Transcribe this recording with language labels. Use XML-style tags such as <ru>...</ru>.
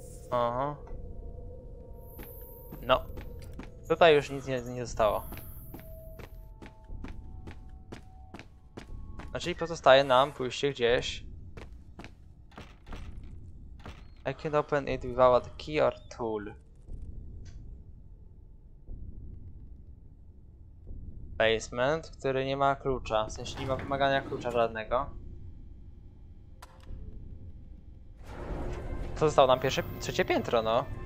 <pl>Aha. No. Tutaj już nic nie zostało. Znaczy pozostaje nam pójście gdzieś.</pl> <en>I can open it without key or tool.</en> <pl>Basement, który nie ma klucza, w sensie nie ma wymagania klucza żadnego. Co zostało nam pierwsze, trzecie piętro, no.</pl>